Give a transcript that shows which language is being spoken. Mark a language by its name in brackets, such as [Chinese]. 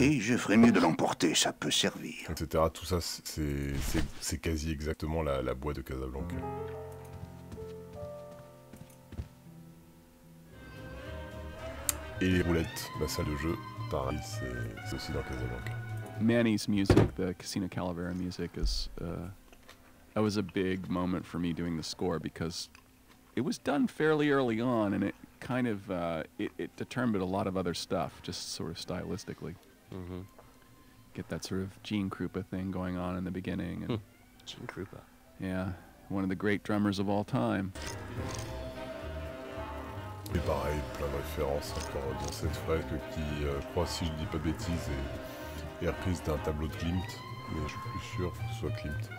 [French] Oui, je ferais mieux de l'emporter, ça peut servir. Etc. Tout ça, c'est quasi exactement la boîte de Casablanca. Et les roulettes, la salle de jeu, pareil, c'est aussi dans Casablanca. [English] Manny's music, the Casino Calavera music, that was a big moment for me doing the score because it was done fairly early on and it kind of it determined a lot of other stuff, just sort of stylistically. Mm-hmm. Get that sort of Gene Krupa thing going on in the beginning. And Gene Krupa. Yeah, one of the great drummers of all time. [French] Et pareil, plein de références encore dans cette fresque qui, crois si je dis pas bêtise, est reprise d'un tableau de Klimt, mais je suis plus sûr que ce soit Klimt.